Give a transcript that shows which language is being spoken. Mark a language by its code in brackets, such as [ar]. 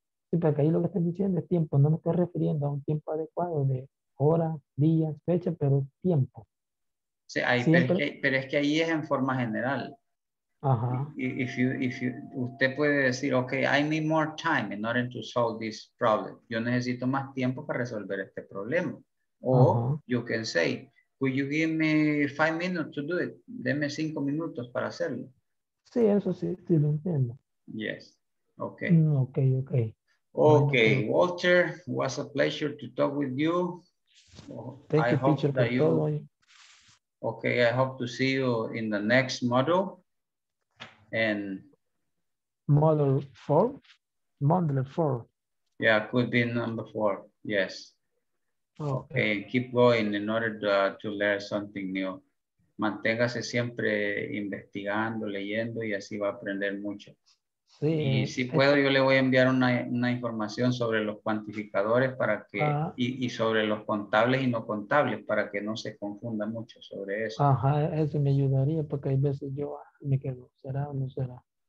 [es] Sí, porque ahí lo que estás diciendo es tiempo. No me estoy refiriendo a un tiempo adecuado de hora, días, fecha, pero tiempo. Sí, pero es que ahí es en forma general. Ajá. [en] If you, [es] usted puede decir, [en] ok, I need more time in order to solve this problem. [es] Yo necesito más tiempo para resolver este problema. [en] O you can say, will you give me 5 minutes to do it? [es] Deme 5 minutos para hacerlo. Sí, eso sí lo entiendo. [en] Yes. Ok. Ok. [es] Ok, bueno. [en] Walter, was a pleasure to talk with you. Thank I you, teacher, for you... [es] todo. [en] Okay, I hope to see you in the next module. And Module 4. Yeah, could be number 4. Yes. Okay, and keep going in order to learn something new. [es] Manténgase siempre investigando, leyendo, y así va a aprender mucho. Sí. Y si puedo, yo le voy a enviar una información sobre los cuantificadores para que, y sobre los contables y no contables, para que no se confunda mucho sobre eso. Ajá, eso me ayudaría, porque hay veces yo me quedo, ¿será o no será?